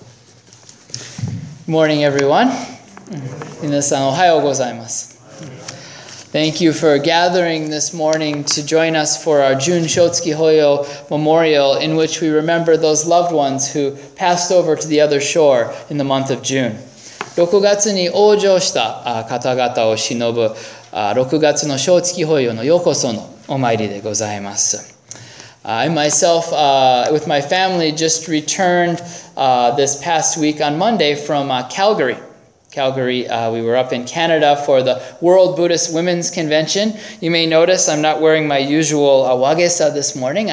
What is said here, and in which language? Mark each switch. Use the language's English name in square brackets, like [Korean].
[English] Good morning, everyone. [Japanese] Minasan, ohayou gozaimasu. [English] Thank you for gathering this morning to join us for our Jun Shotsuki Hoyo Memorial, in which we remember those loved ones who passed over to the other shore in the month of June. [Japanese] 6月に往生した方々を偲ぶ6月の正月法要のようこそのお参りでございます。 [English] I myself, with my family, just returned this past week on Monday from Calgary. Calgary, we were up in Canada for the World Buddhist Women's Convention. You may notice I'm not wearing my usual wagesa this morning.